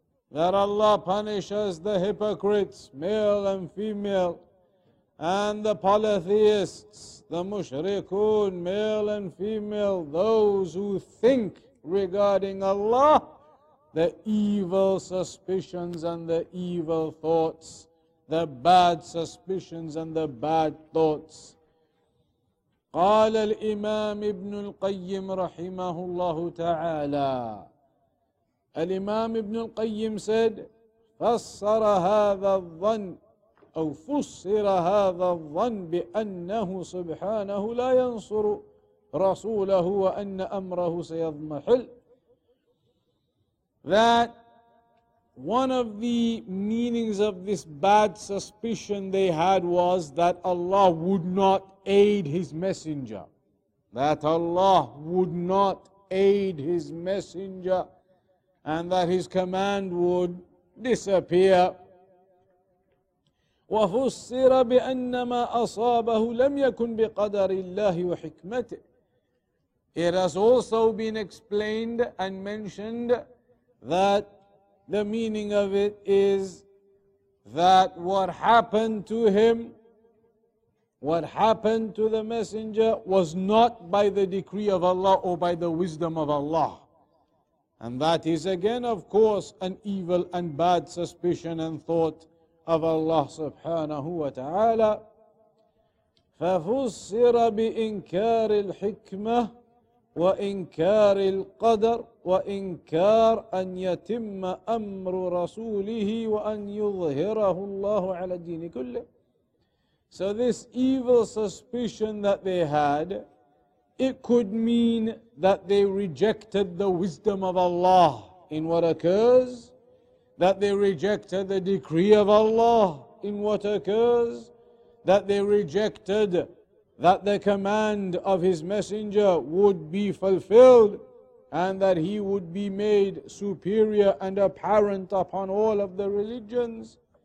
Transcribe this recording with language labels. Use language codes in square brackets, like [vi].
[en] That Allah punishes the hypocrites, male and female, and the polytheists, the mushrikun, male and female, those who think regarding Allah the evil suspicions and the evil thoughts, the bad suspicions and the bad thoughts. [ar] قال الإمام ابن القيم رحمه الله تعالى. الإمام ابن القيم said, فسر هذا الظن أو فسر هذا الظن بأنه سبحانه لا ينصر رسوله وأن أمره سيضمحل. [en] That one of the meanings of this bad suspicion they had was that Allah would not aid his messenger. That Allah would not aid his messenger and that his command would disappear. [ar] وَفُسِّرَ بِأَنَّمَا أَصَابَهُ لَمْ يَكُنْ بِقَدَرِ اللَّهِ وَحِكْمَتِهِ. [en] It has also been explained and mentioned that the meaning of it is that what happened to him, what happened to the messenger, was not by the decree of Allah or by the wisdom of Allah. And that is again, of course, an evil and bad suspicion and thought of Allah subhanahu wa ta'ala. [ar] فَفُسِّرَ بِإِنْكَارِ الْحِكْمَةِ وإنكار القدر وإنكار أن يتم أمر رسوله وأن يظهره الله على الدين كله. [en] So this evil suspicion that they had, it could mean that they rejected the wisdom of Allah in what occurs, that they rejected the decree of Allah in what occurs, that they rejected that the command of his messenger would be fulfilled and that he would be made superior and apparent upon all of the religions.